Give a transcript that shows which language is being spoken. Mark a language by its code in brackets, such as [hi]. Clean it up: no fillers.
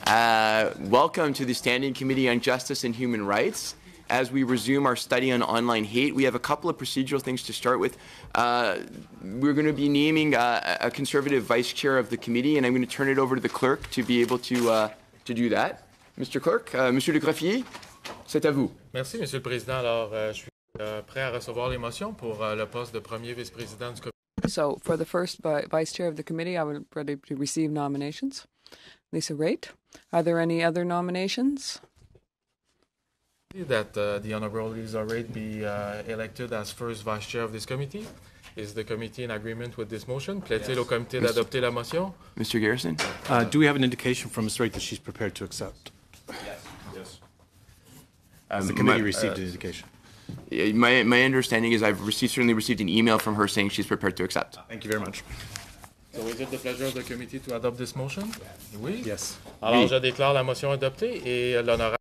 [en] Welcome to the Standing Committee on Justice and Human Rights. As we resume our study on online hate, we have a couple of procedural things to start with. We're going to be naming a conservative vice chair of the committee, and I'm going to turn it over to the clerk to be able to do that. [fr] Mr. Clerk, Monsieur Le Graffier, c'est à vous. Merci, Monsieur le Président. Alors, je suis prêt à recevoir les motions pour le poste de premier vice-président du comité. [en] So, for the first vice chair of the committee, I would ready to receive nominations. Lisa Raitt, are there any other nominations? That the Honorable Lisa Raitt be elected as first vice chair of this committee. Is the committee in agreement with this motion? [fr] Plaît-il yes. au comité d'adopter la motion? [en] Mr. Garrison? Do we have an indication from Ms. Raitt that she's prepared to accept? Yes. Has the committee received an indication? My understanding is I've certainly received an email from her saying she's prepared to accept. Thank you very much. So is it the pleasure of the committee to adopt this motion? [fr] Oui. [en] Yes. [fr] Alors, je déclare la motion adoptée et l'honorable.